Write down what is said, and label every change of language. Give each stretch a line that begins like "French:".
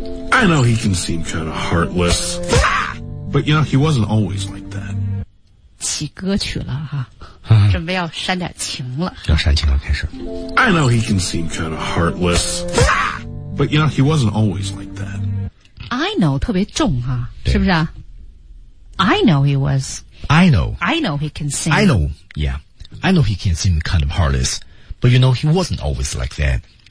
English: I know he can seem kind of heartless, but you know, he wasn't always like that.
Chinese: 起歌曲了哈、准备要煽点情了。要煽情了开始。
English: I know he can seem kind of heartless, but you know, he wasn't always like that. I know,
Chinese: 特别重哈、是不是啊
English: I know he was. I know. I know he can seem. I know, yeah. I know he can seem kind of heartless, but you know, he wasn't always like that.